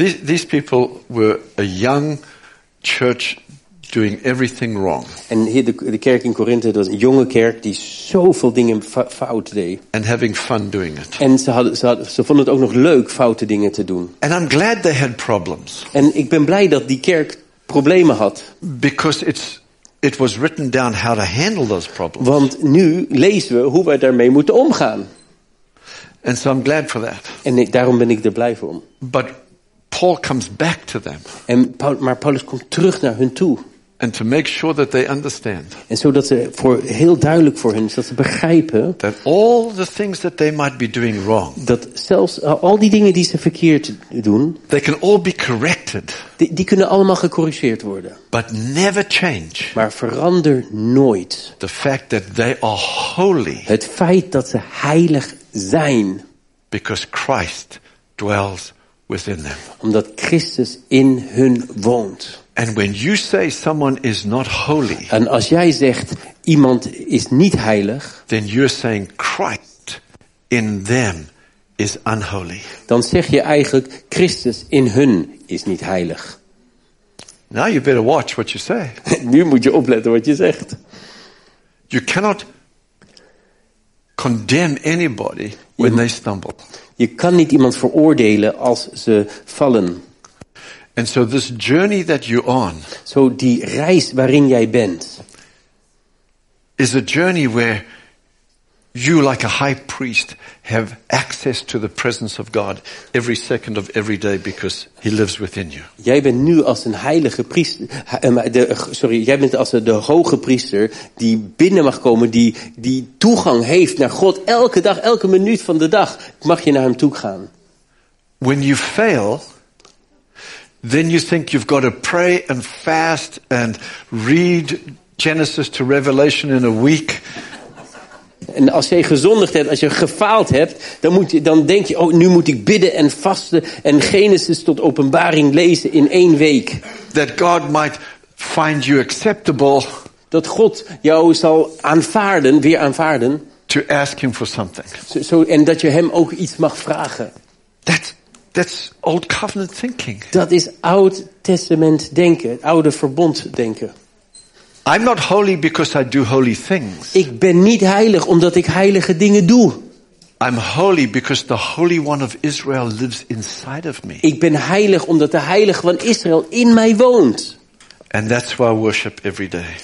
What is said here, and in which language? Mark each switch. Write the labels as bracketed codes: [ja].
[en] These people were a young church doing everything wrong. [nl] En hier de kerk in Korinthe, dat was een jonge kerk die zoveel dingen fout deed. [en] And having fun doing it. [nl] En ze vonden het ook nog leuk foute dingen te doen. [en] And I'm glad they had problems. [nl] En ik ben blij dat die kerk problemen had. [en] Because it was written down how to handle those problems. [nl] Want nu lezen we hoe wij daarmee moeten omgaan. [en] And so I'm glad for that. [nl] En daarom ben ik er blij voor. [en] But Paul comes back to them. [nl] Maar Paulus komt terug naar hun toe. [en] And to make sure that they understand. [nl] En zodat ze heel duidelijk voor hen, zodat ze begrijpen. [en] That all the things that they might be doing wrong. [nl] Dat zelfs al die dingen die ze verkeerd doen. [en] They can all be corrected. [nl] Die kunnen allemaal gecorrigeerd worden. [en] But never change. [nl] Maar verander nooit. [en] The fact that they are holy. [nl] Het feit dat ze heilig zijn. [en] Because Christ dwells. Within them. [nl] Omdat Christus in hun woont. [en] And when you say someone is not holy, [nl] en als jij zegt iemand is niet heilig, [en] then you're saying Christ in them is unholy. [nl] Dan zeg je eigenlijk Christus in hun is niet heilig. [en] Now you better watch what you say. [nl] Nu moet je opletten wat je zegt. [en] You cannot condemn anybody when they stumble. [nl] Je kan niet iemand veroordelen als ze vallen. [en] And so this journey that you're on. [nl] Zo die reis waarin jij bent. [en] Is a journey where you like a high priest have access to the presence of God every second of every day because he lives within you. [nl] Jij bent nu als een heilige priester jij bent als de hoge priester die binnen mag komen die toegang heeft naar God elke dag elke minuut van de dag mag je naar hem toe gaan. [en] When you fail, then you think you've got to pray and fast and read Genesis to Revelation in a week. [nl] En als je gezondigd hebt, als je gefaald hebt, dan denk je, oh, nu moet ik bidden en vasten en Genesis tot Openbaring lezen in één week. [en] That God might find you acceptable. [nl] Dat God jou zal aanvaarden. [en] to ask him for something. [nl] So en dat je hem ook iets mag vragen. [en] That's old covenant thinking. [nl] Dat is oud testament denken, oude verbond denken. [en] I'm not holy because I do holy things. [nl] Ik ben niet heilig omdat ik heilige dingen doe. [en] I'm holy because the Holy One of Israel lives inside of me. [nl] Ik ben heilig omdat de Heilige van Israël in mij woont. [en] And that's why I worship every day.